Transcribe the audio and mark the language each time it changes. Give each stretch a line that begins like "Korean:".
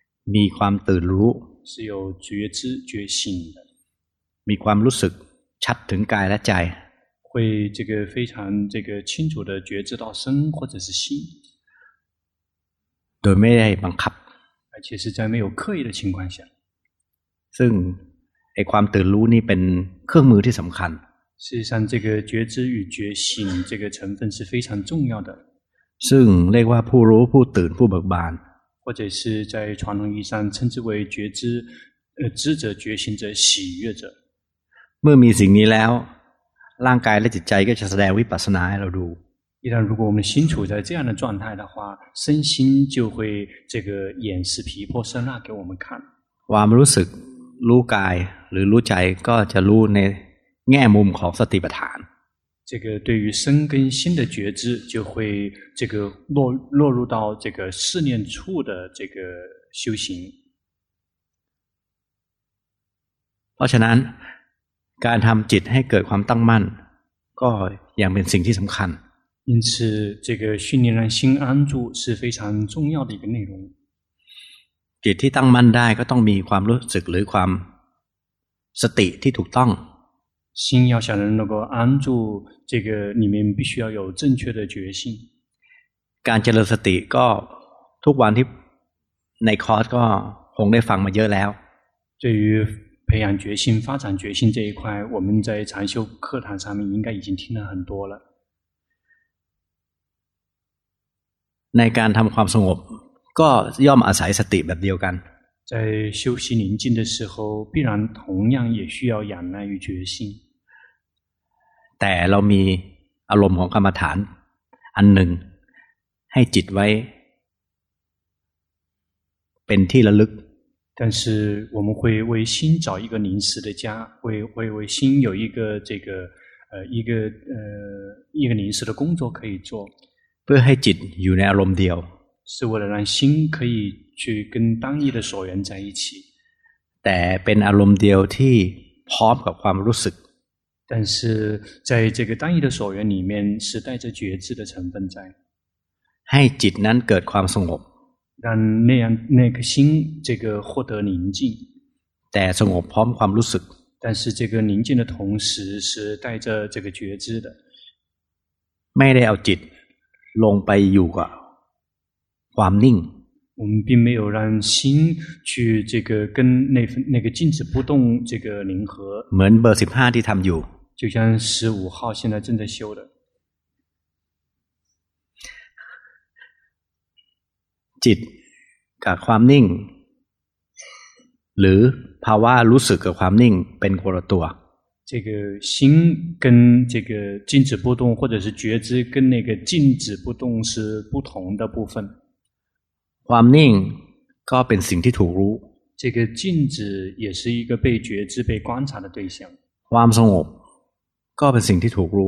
Thai: มีความตื่นรู้
Chinese: 是有觉知觉醒的
Thai: มีความรู้สึกชัดถึงกายและใจ
Chinese: 会这个非常这个清楚的觉知到身或者是心，
Thai: โดยไม่ได้บังคับ
Chinese: 而且是在没有刻意的情况下，
Thai: ซึ่งไอ้ความตื่นรู้นี่เป็นเครื่องมือที่สำคัญ
Chinese: 事实上这个觉知与觉醒这个成分是非常重要的
Thai: ซึ่งเรียกว่าผู้รู้ผู้ตื่นผู้เบิกบาน
Chinese: 或者是在传统意义上称之为觉知知者觉醒者喜悦者
Thai: เมื่อมีสิ่งนี้แล้วร่างกายและจิตใจก็จะแสดงวิปัสสนาให้เราดู
Chinese: 一旦如果我们心处在这样的状态的话身心就会这个演示皮破身那给我们看
Thai: ความรู้สึกรู้กายหรือรู้ใจก็จะรู้ในแง่มุมของสติปัฏฐาน
Chinese: 这个对于身跟心的觉知就会这个落入到这个四念处的这个修行
Thai: เพราะฉะนั้นการทำจิตให้เกิดความตั้งมั่นก็ยังเป็นสิ่งที่สำคัญ
Chinese: 因此这个训练让心安住是非常重要的一个内容
Thai: จิตที่ตั้งมั่นได้ก็ต้องมีความรู้สึกหรือความสติที่ถูกต้อง
Chinese: 心要想能够安住这个里面必须要有正确的决心
Thai: การเจริญสติก็ทุกวันที่ในคอร์สก็คงได้ฟังมาเยอะแล้ว
Chinese: 对于培养决心发展决心这一块我们在禅修课堂上面应该已经听了很多了
Thai: ในการทำความสงบก็ย่อมอาศัยสติแบบเดียวกัน
Chinese: 在修习宁静的时候，必然同样也需要仰赖于觉性。
Thai: แต่เรามีอารมณ์ของกรรมฐานอันหนึ่งให้จิตไว้เป็นที่ระลึก
Chinese: 但是我们会为心找一个临时的家，会为心有一个这个一个临时的工作可以做。
Thai: เพื่อให้จิตอยู่ในอารมณ์เดียว
Chinese: 是为了让心可以去跟当一的所缘在一起。
Thai: แต่เป็นอารมณ์เดียวที่พร้อมกับความรู้สึก
Chinese: 但是在这个单一的所缘里面是带着觉知的成分在。
Thai: ให้จิตนั้นเกิดความสงบ
Chinese: 让那样那个心这个获得宁静
Thai: แต่สงบพร้อมความรู้สึก
Chinese: 但是这个宁静的同时是带着这个觉知的
Thai: ไม่ได้เอาจิตลงไปอยู่กับความนิ่ง
Chinese: 我们并没有让心去这个跟那份那个静止不动这个凝合
Thai: เหมือนเบอร์15ที่ทำอยู่
Chinese: 就像15号现在正在修的
Thai: จิตกับความนิ่งหรือภาวะรู้สึกกับความนิ่งเป็นคนละตัว
Chinese: 这个心跟这个静止不动或者是觉知跟那个静止不动是不同的部分
Thai: ความนิ่งก็เป็นสิ่งที่ถูกรู้
Chinese: 这个静止也是一个被觉知被观察的对象
Thai: ความสงบก็เป็นสิ่งที่ถูกรู